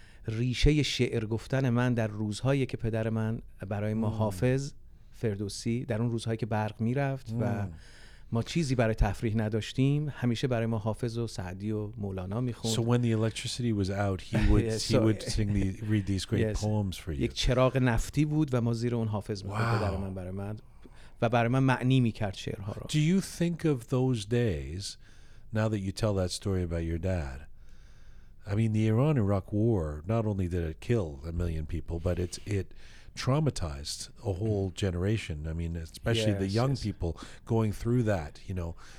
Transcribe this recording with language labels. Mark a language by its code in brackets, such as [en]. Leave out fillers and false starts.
[fa] ریشه شعر گفتن من در روزهایی که پدر من برای ما حافظ فردوسی در اون روزهایی که برق میرفت و ما چیزی برای تفریح نداشتیم همیشه برای ما حافظ و سعدی و مولانا میخوند. [en] So when the electricity was out, he would read these great poems for you. [fa] یک چراغ نفتی بود و ما زیر اون حافظ میخوند پدر من برای من و برای من معنی میکرد شعرها را. [en] Do you think of those days, now that you tell that story about your dad? I mean, the Iran-Iraq war, not only did it kill 1 million people, but it traumatized a whole generation. I mean, especially the young people going through that, you know.